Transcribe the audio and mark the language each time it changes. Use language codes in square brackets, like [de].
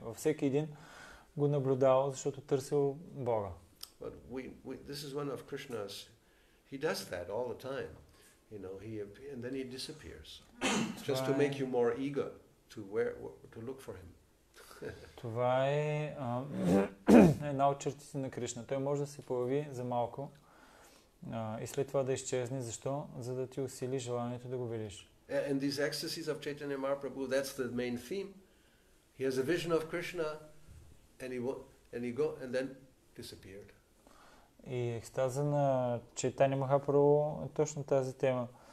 [bg] Във всеки един го наблюдавал, защото търсил Бога. [en] But this is one of Krishna's. He does that all the time. You know, and then he disappears. Just to make you more eager to look for him. [bg] Това е една от чертите на Кришна. Той може да се появи за малко. И след това да изчезне. Защо? За да ти усили желанието да го видиш. [en] And these ecstasies of Chaitanya Mahaprabhu, that's the main theme. He has a vision of Krishna and he go and then disappeared. [bg] И екстаза на Чайтани Махапрабху е точно тази тема.